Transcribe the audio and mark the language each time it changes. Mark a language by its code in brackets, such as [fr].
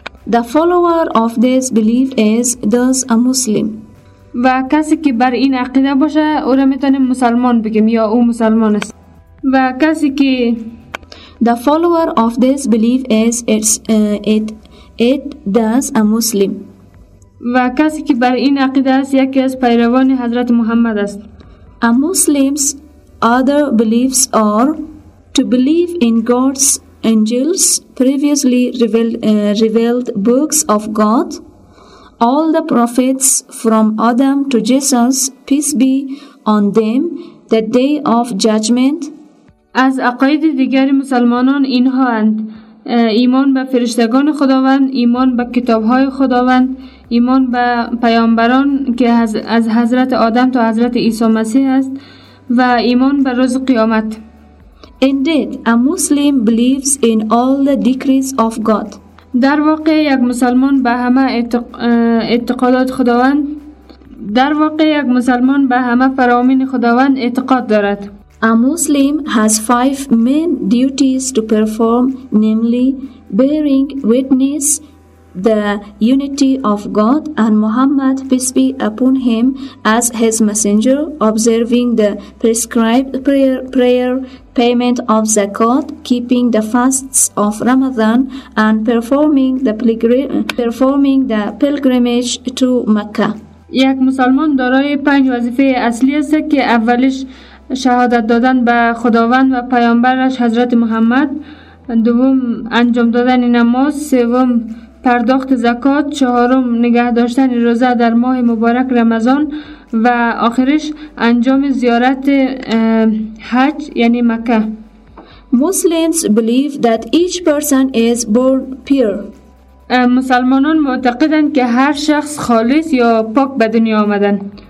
[en] The follower of this belief is thus a Muslim. [fa] و کسی که بر این عقیده باشه او را میتونیم مسلمان بگیم یا او مسلمان است. و کسی که [en] The follower of this belief is thus a Muslim. [fa] و کسی که بر این عقیده است یکی از پیروان حضرت محمد است. [en] A Muslim's other beliefs are to believe in God's angels, previously revealed books of God, all the prophets from Adam to Jesus, peace be on them, the day of judgment. [fa] از عقاید دیگر مسلمانان اینها اند: ایمان به فرشتگان خداوند، ایمان به کتابهای خداوند، ایمان به پیامبران که از حضرت آدم تا حضرت عیسی مسیح است و ایمان به روز قیامت. [en] Indeed, a Muslim believes in all the decrees of God. [fa] در واقع یک مسلمان به همه اعتقادات خداوند اعتقاد دارد. [en] A Muslim has five main duties to perform, namely bearing witness the unity of God and Muhammad peace be upon him as his messenger, observing the prescribed prayer, payment of zakat, keeping the fasts of Ramadan and performing the pilgrimage to Mecca. [fa] یک مسلمان دارای پنج وظیفه اصلی است که اولش شهادت دادن به خداوند و پیامبرش حضرت محمد، دوم انجام دادن نماز، سوم پرداخت زکات، چهارم نگه داشتن روزه در ماه مبارک رمضان و آخرش انجام زیارت حج یعنی مکه. [en] Muslims believe that each person is born pure. [fa] مسلمانان معتقدند که هر شخص خالص یا پاک به دنیا آمدند.